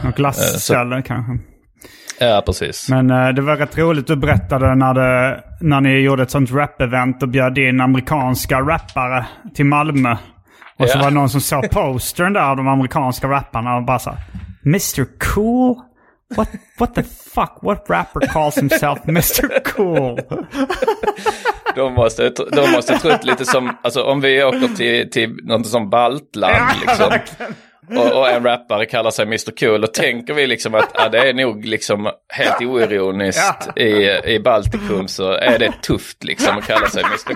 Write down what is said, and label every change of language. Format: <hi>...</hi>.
<sv>en glassställe kanske. Ja, precis. Men det var rätt roligt att berätta det när ni gjorde ett sånt rap-event och bjöd in amerikanska rappare till Malmö. Och så var det någon som såg postern där av de amerikanska rapparna och bara sa, Mr.</sv> <en>Cool? What the fuck? What rapper calls himself Mr. Cool?</en> <sv>De måste trött lite som, alltså om vi åker till något som baltland, ja, liksom. Verkligen. Och en rappare kallar sig Mr. Cool, och tänker vi liksom att det är nog liksom helt oironiskt i Baltikum, så är det tufft liksom att kalla sig Mr.</sv>